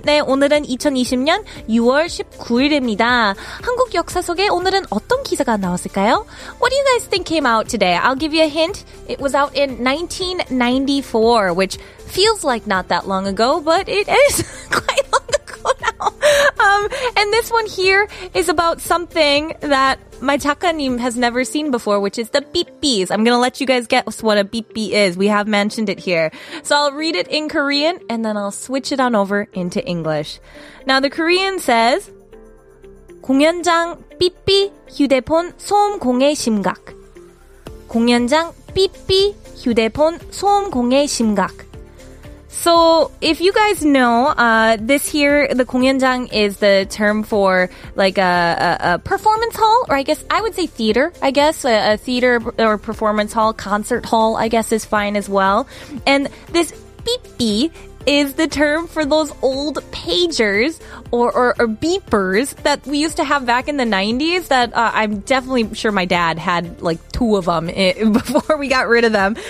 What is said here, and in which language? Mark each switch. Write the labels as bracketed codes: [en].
[ko] 네, 오늘은 2020년 6월 19일입니다. 한국 역사 속에 오늘은 어떤 기사가 나왔을까요? [en] What do you guys think came out today? I'll give you a hint. It was out in 1994, which feels like not that long ago, but it is quite long ago now. And this one here is about something that my 작가님 has never seen before, which is the beep-bees. I'm going to let you guys guess what a beep-bee is. We have mentioned it here. So I'll read it in Korean, and then I'll switch it on over into English. Now, the Korean says, [ko] 공연장 삐삐 휴대폰 소음 공해 심각. 공연장 삐삐 휴대폰 소음 공해 심각. [en] So, if you guys know, this here, the 공연장 is the term for like a performance hall, or I guess I would say theater, I guess. A theater or performance hall, concert hall, I guess is fine as well. And this beepy is the term for those old pagers or beepers that we used to have back in the 90s that I'm definitely sure my dad had like two of them before we got rid of them.